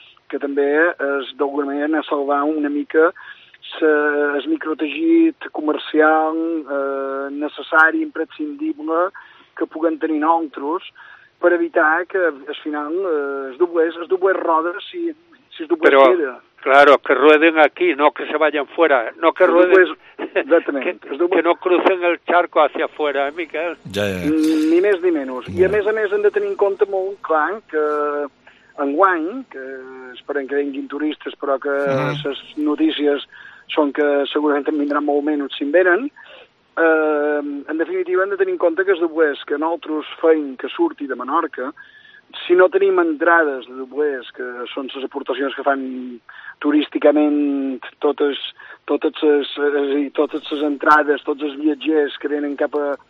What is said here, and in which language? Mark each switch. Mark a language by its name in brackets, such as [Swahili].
[Catalan] Que també és d'alguna manera anar a salvar una mica el microtegit comercial necessari, imprescindible, que puguem tenir nosaltres per evitar que al final es doblés rodes si es doblés queda. [Spanish] Claro, que rueden aquí, no que se vayan fuera. No que rueden, que no crucen el charco hacia afuera, Miquel. [Catalan] Ja. Ni més ni menys. Ja. I a més hem de tenir en compte molt, clar, que enguany, que esperem que vinguin turistes, però que les notícies són que segurament en vindran molt menys si en venen, en definitiva hem de tenir en compte que els doblers que nosaltres feim que surti de Menorca, si no tenim entrades de doblers, que són les aportacions que fan turísticament totes les entrades, tots els viatgers que venen cap a...